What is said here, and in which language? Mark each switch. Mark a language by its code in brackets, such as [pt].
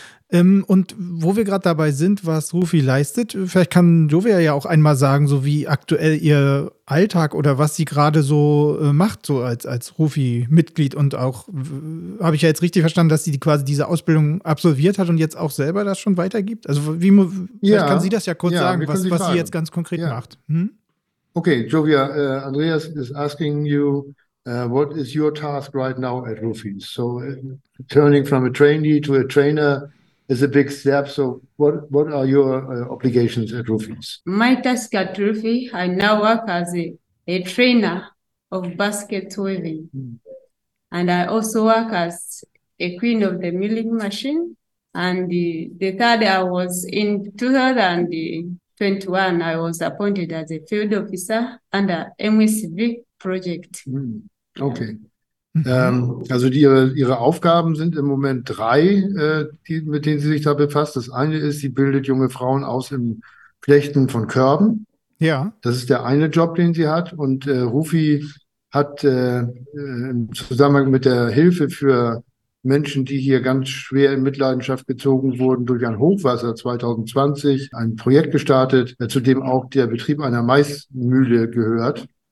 [de] Und wo wir gerade dabei sind, was Rufi leistet, vielleicht kann Jovia ja auch einmal sagen, so wie aktuell ihr Alltag oder was sie gerade so macht, so als Rufi-Mitglied und auch, habe ich ja jetzt richtig verstanden, dass sie quasi diese Ausbildung absolviert hat und jetzt auch selber das schon weitergibt? Also wie, vielleicht kann sie das ja kurz sagen, was sie jetzt ganz konkret macht. Hm? [en] Okay, Jovia, Andreas is asking you, what is your task right now at Rufi? So turning from a trainee to a trainer is a big step. So what are your obligations at Rufi's? My task at Rufi, I now work as a trainer of basket weaving. Mm. And I also work as a queen of the milling machine. And the third, I was in 2021, I was appointed as a field officer under MSV project. Okay. [de] Also Ihre Aufgaben sind im Moment drei, mit denen Sie sich da befasst. Das eine ist, sie bildet junge Frauen aus im Flechten von Körben. Ja. Das ist der eine Job, den sie hat. Und Rufi hat im Zusammenhang mit der Hilfe für Menschen, die hier ganz schwer in Mitleidenschaft gezogen wurden durch ein Hochwasser 2020, ein Projekt gestartet, zu dem auch der Betrieb einer Maismühle gehört.